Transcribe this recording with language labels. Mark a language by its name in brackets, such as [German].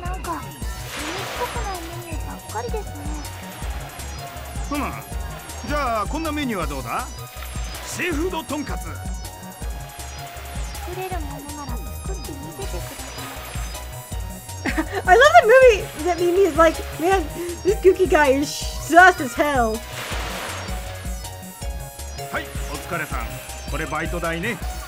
[Japanese] なんか海っぽくないメニューばっかりですね。ふむ、じゃあこんなメニューはどうだ。シーフードとんかつ。作れるものなら作ってみせてください [English] 。 I love the movie that Mimi is like, man, this Gookie guy is sus as hell. [Japanese] お疲れさん、これバイト代ね。